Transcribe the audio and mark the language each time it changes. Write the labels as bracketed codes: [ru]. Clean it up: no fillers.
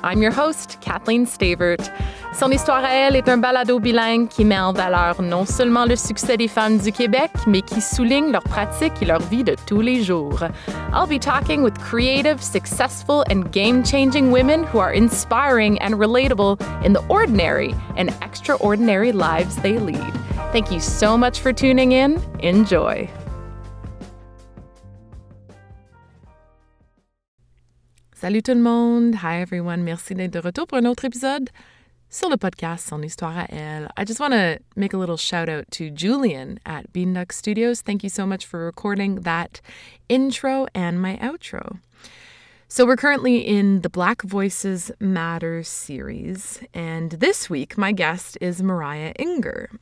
[en] I'm your host, Kathleen Stavert. [fr] Son Histoire à Elle est un balado bilingue qui met en valeur non seulement le succès des femmes du Québec, mais qui souligne leur pratique et leur vie de tous les jours. [en] I'll be talking with creative, successful, and game-changing women who are inspiring and relatable in the ordinary and extraordinary lives they lead. Thank you so much for tuning in. Enjoy. [fr] Salut tout le monde! [en] Hi everyone! [fr] Merci d'être de retour pour un autre épisode sur le podcast Son Histoire à Elle. [en] I just want to make a little shout out to Julian at Beanduck Studios. Thank you so much for recording that intro and my outro. So we're currently in the Black Voices Matter series, and this week my guest is Mariah Inger.